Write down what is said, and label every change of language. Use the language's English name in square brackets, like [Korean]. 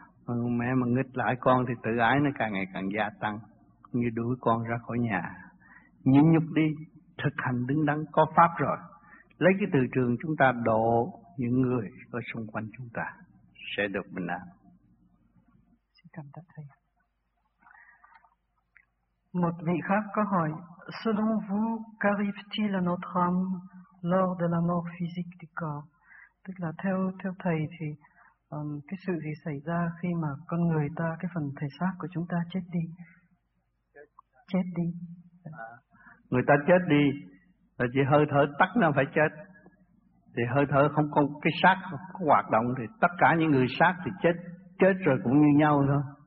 [Vietnamese] Người mẹ mà nghịch lại con thì tự ái nó càng ngày càng gia tăng, như đuổi con ra khỏi nhà. Nhẫn nhục đi, thực hành đứng đắn có pháp rồi. Lấy cái từ trường chúng ta độ những người ở xung quanh chúng ta sẽ được bình an. Xin cảm tạ thầy. [French] Một vị khác có hỏi: Selon vous, qu'arrive-t-il à notre âme lors de la mort physique du corps? [Vietnamese] Tức là theo thầy thì cái sự gì xảy ra khi mà con người ta, cái phần thể xác của chúng ta chết đi? Người ta chết đi là chỉ hơi thở tắt nó phải chết. Thì hơi thở không có cái xác có hoạt động thì tất cả những người xác thì chết rồi cũng như nhau thôi.